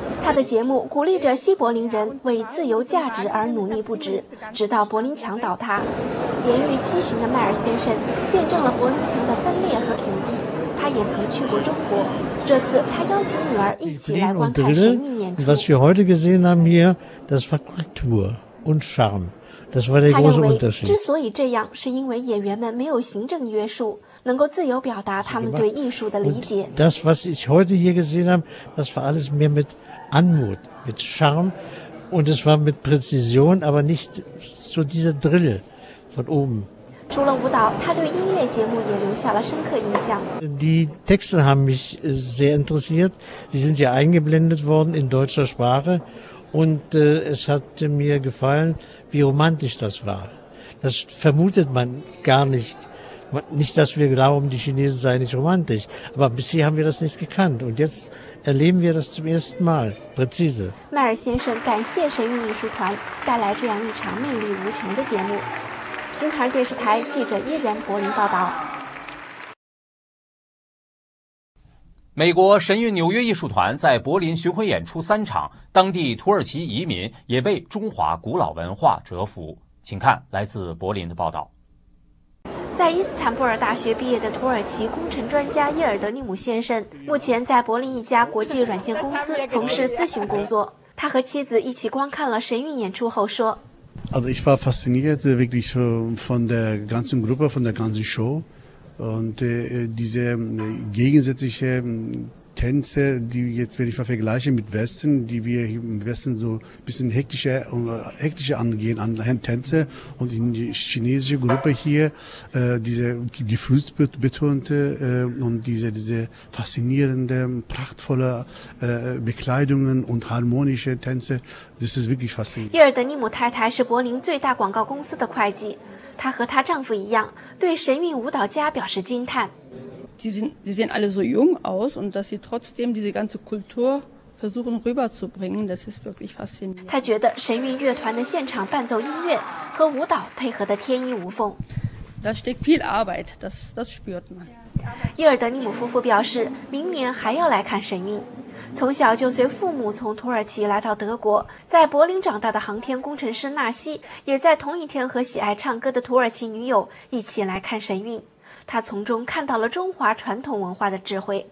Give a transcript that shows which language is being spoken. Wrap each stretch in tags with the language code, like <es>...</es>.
<zh>他的节目鼓励着西柏林人为自由价值而努力不止，直到柏林墙倒塌。年逾七旬的迈尔先生见证了柏林墙的分裂和统一，他也曾去过中国，这次他邀请女儿一起来观看神秘演出。</zh> <de>Was wir heute gesehen haben hier, das war Kultur und Charme.</de> <zh>他认为之所以这样，是因为演员们没有行政约束，能够自由表达他们对艺术的理解。</zh> <de>Das, was ich heute hier gesehen habe, das war alles mehr mit Anmut, mit Charme, und es war mit Präzision, aber nicht so dieser Drill von oben.</de> <zh>除了舞蹈，他对音乐节目也留下了深刻印象。</zh> <de>Die Texte haben mich sehr interessiert. Sie sind ja eingeblendet worden in deutscher Sprache. Und es hat mir gefallen, wie romantisch das war. Das vermutet man gar nicht. Nicht, dass wir glauben, die Chinesen seien nicht romantisch. Aber bisher haben wir das nicht gekannt. Und jetzt erleben wir das zum ersten Mal, präzise.</de> <zh>迈尔先生感谢神韵艺术团带来这样一场魅力无穷的节目。新唐电视台记者依然柏林报道。美国神韵纽约艺术团在柏林巡回演出三场，当地土耳其移民也被中华古老文化折服。请看来自柏林的报道。在伊斯坦布尔大学毕业的土耳其工程专家伊尔德尼姆先生，目前在柏林一家国际软件公司从事咨询工作。他和妻子一起观看了神韵演出后说</zh> <de>Also ich war fasziniert wirklich von der ganzen Gruppe, von der ganzen Show. Und diese gegensätzlichen Tänze, die jetzt, wenn ich mal vergleiche mit Westen, die wir im Westen so ein bisschen hektischer angehen an Tänze und in die chinesische Gruppe hier, diese gefühlsbetonte und diese faszinierende, prachtvolle Bekleidungen und harmonische Tänze, das ist wirklich faszinierend.</de> <zh>伊尔德尼姆太太是柏林最大广告公司的会计。她和她丈夫一样，对神韵舞蹈家表示惊叹。</zh> <de>Sie sehen alle so jung aus und dass sie trotzdem diese ganze Kultur versuchen rüberzubringen, das ist wirklich faszinierend.</de> <zh>她觉得神韵乐团的现场伴奏音乐和舞蹈配合得天衣无缝。</zh> <de>Da steckt viel Arbeit, das spürt man.</de> <zh>伊尔德尼姆夫妇表示，明年还要来看神韵。从小就随父母从土耳其来到德国，在柏林长大的航天工程师纳西也在同一天和喜爱唱歌的土耳其女友一起来看神韵，他从中看到了中华传统文化的智慧。</zh>